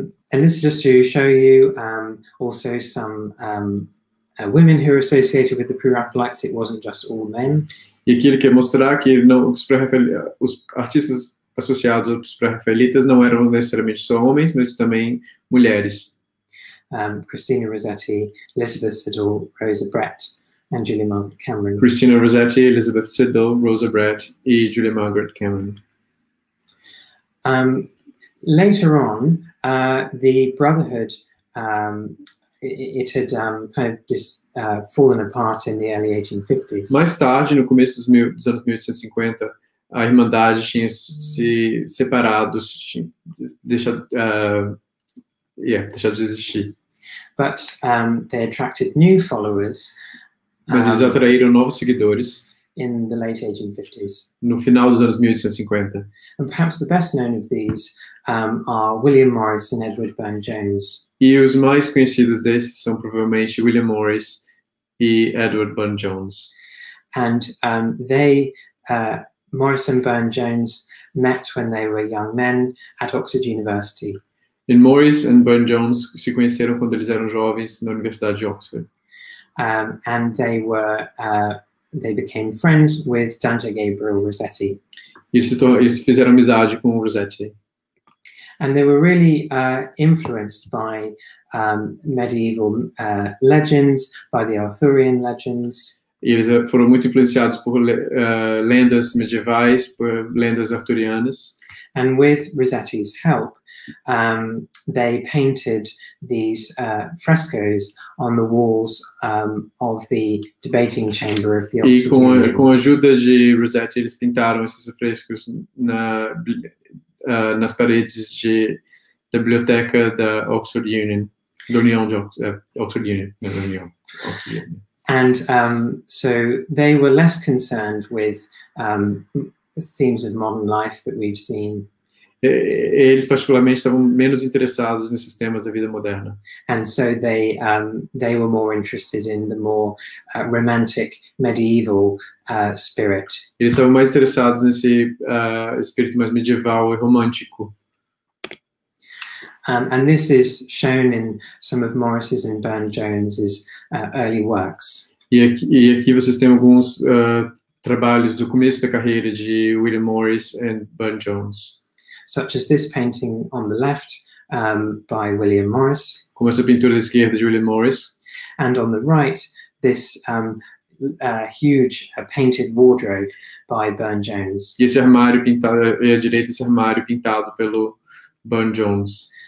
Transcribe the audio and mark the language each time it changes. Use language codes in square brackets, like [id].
[en] And this is just to show you also some women who are associated with the Pre-Raphaelites. It wasn't just all men. [pt] E aqui ele quer mostrar que os artistas associados aos Pre-Raphaelitas não eram necessariamente só homens, mas também mulheres. [en] Christina Rossetti, Elizabeth Siddall, Rosa Brett, and Julia Margaret Cameron. [pt] Christina Rossetti, Elizabeth Siddall, Rosa Brett, e Julia Margaret Cameron. [en] Later on, the Brotherhood, it had kind of fallen apart in the early 1850s. [pt] Mais tarde, no começo dos anos 1850, a Irmandade tinha se separado, deixado de existir. [en] But they attracted new followers. [pt] Mas eles atraíram novos seguidores. [en] In the late 1850s. [pt] No final dos anos 1850. [en] And perhaps the best known of these are William Morris and Edward Burne-Jones. [pt] E os mais conhecidos desses são provavelmente William Morris e Edward Burne-Jones. [en] And Morris and Burne-Jones met when they were young men at Oxford University. [pt] E Morris and Burne-Jones se conheceram quando eles eram jovens na Universidade de Oxford. [en] And they became friends with Dante Gabriel Rossetti. [pt] Eles fizeram amizade com o Rossetti. [en] And they were really influenced by medieval legends, by the Arthurian legends. [pt] E eles foram muito influenciados por lendas medievais, por lendas arturianas. [en] And with Rossetti's help, they painted these frescoes on the walls of the debating chamber of the Oxford [pt] Union. E com a ajuda de Rossetti, eles pintaram esses frescos nas paredes da biblioteca da Oxford Union, da União de Oxford Union, na União de Oxford Union. [en] And so they were less concerned with themes of modern life that we've seen. [pt] Eles particularmente estavam menos interessados nesses temas da vida moderna. [en] And so they were more interested in the more romantic medieval spirit. [pt] Eles estavam mais interessados nesse espírito mais medieval e romântico. [en] And this is shown in some of Morris's and Burne-Jones's early works. [pt] E aqui vocês têm alguns trabalhos do começo da carreira de William Morris e Burne-Jones. [en] Such as this painting on the left by William Morris. [pt] Como essa pintura da esquerda de William Morris. [en] And on the right, this huge painted wardrobe by Burne-Jones. [pt] E esse armário pintado, à direita, esse armário pintado pelo Burne-Jones.